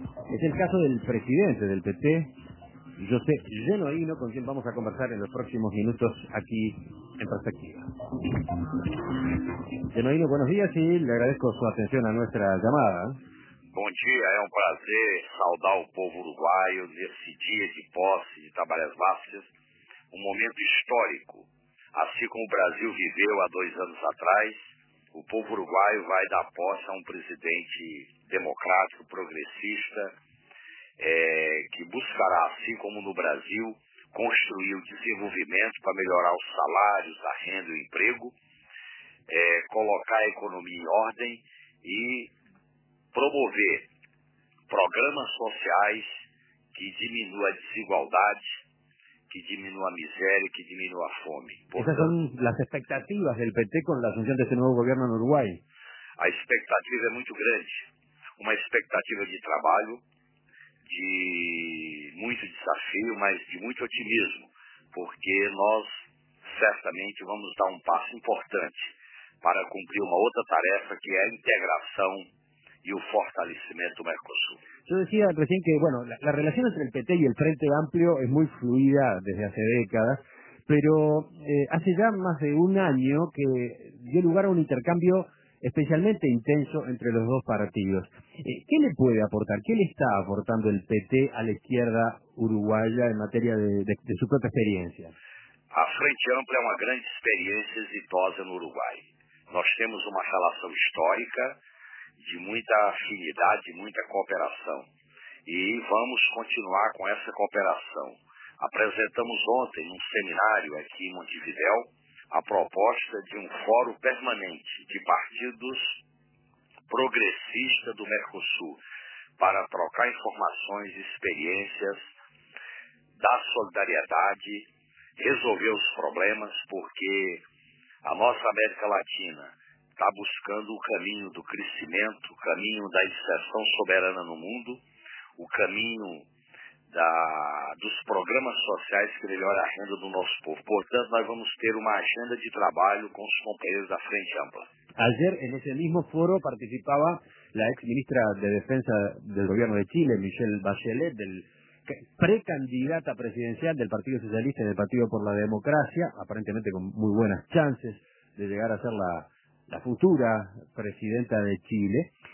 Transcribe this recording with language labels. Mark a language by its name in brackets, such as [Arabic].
[Spanish] Es el caso del presidente del PT, José Genoino, con quien vamos a conversar en los próximos minutos aquí en Perspectiva. Genoino, buenos días y le agradezco su atención a nuestra llamada. Buen día, es un placer saludar al pueblo uruguayo en este día de posse de Tabaré Vázquez, un momento histórico. Así como el Brasil [Portuguese] viveu há 2 anos atrás, [Spanish] el pueblo uruguayo va a dar posse a un presidente democrático, progresista, que buscará, [Portuguese] assim como no Brasil, construir o desenvolvimento para melhorar os salários, a renda e o emprego, colocar a economia em ordem e promover programas sociais que diminuam a desigualdade, que diminuam a miséria, que diminuam a fome. Essas são as expectativas do PT com a assunção desse novo governo no Uruguai? A expectativa é muito grande. Uma expectativa de trabalho, de muito desafio, mas de muito otimismo, porque nós certamente vamos dar um passo importante para cumprir uma outra tarefa, que é a integração e o fortalecimento do Mercosul. [Spanish] Eu decía recién que, bueno, la relación entre el PT y el Frente Amplio es muy fluida desde hace décadas, pero hace ya más de un año que dio lugar a un intercambio especialmente intenso entre los dos partidos. ¿Qué le puede aportar? ¿Qué le está aportando el PT a la izquierda uruguaya en materia de su propia experiencia? A Frente Ampla es una gran experiencia exitosa en Uruguay. [Portuguese] Nós temos [Spanish] una relación histórica de mucha afinidad, de mucha cooperación. Y vamos continuar con esa cooperación. [Portuguese] Apresentamos ontem [Spanish] un seminario aquí en Montevideo [Portuguese] a proposta de um fórum permanente de partidos progressistas do Mercosul para trocar informações e experiências, dar solidariedade, resolver os problemas, porque a nossa América Latina está buscando o caminho do crescimento, o caminho da inserção soberana no mundo, o caminho dos programas sociais que melhoram a renda do nosso povo. Portanto, nós vamos ter uma agenda de trabalho com os companheiros da Frente Ampla. [Spanish] Ayer, en ese mismo foro, participaba la ex-ministra de Defensa del gobierno de Chile, Michelle Bachelet, del precandidata presidencial del Partido Socialista y del Partido por la Democracia, aparentemente con muy buenas chances de llegar a ser la futura presidenta de Chile.